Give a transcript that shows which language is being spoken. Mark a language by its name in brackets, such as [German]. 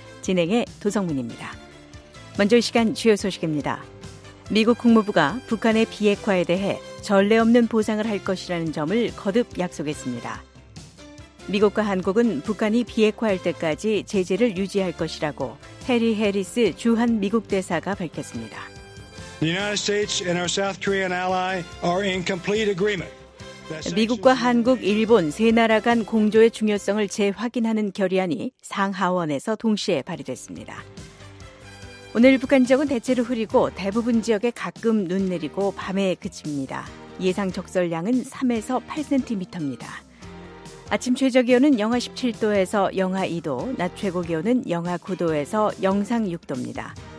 [Korean] 진행의 도성민입니다. 먼저 이 시간 주요 소식입니다. 미국 국무부가 북한의 비핵화에 대해 전례 없는 보상을 할 것이라는 점을 거듭 약속했습니다. 미국과 한국은 북한이 비핵화할 때까지 제재를 유지할 것이라고 해리 해리스 주한 미국 대사가 밝혔습니다. [English] The United States and our South Korean ally are in complete agreement. [Korean] 미국과 한국, 일본 세 나라 간 공조의 중요성을 재확인하는 결의안이 상하원에서 동시에 발의됐습니다. 오늘 북한 지역은 대체로 흐리고 대부분 지역에 가끔 눈 내리고 밤에 그칩니다. 예상 적설량은 3에서 8cm입니다. 아침 최저기온은 영하 17도에서 영하 2도, 낮 최고기온은 영하 9도에서 영상 6도입니다.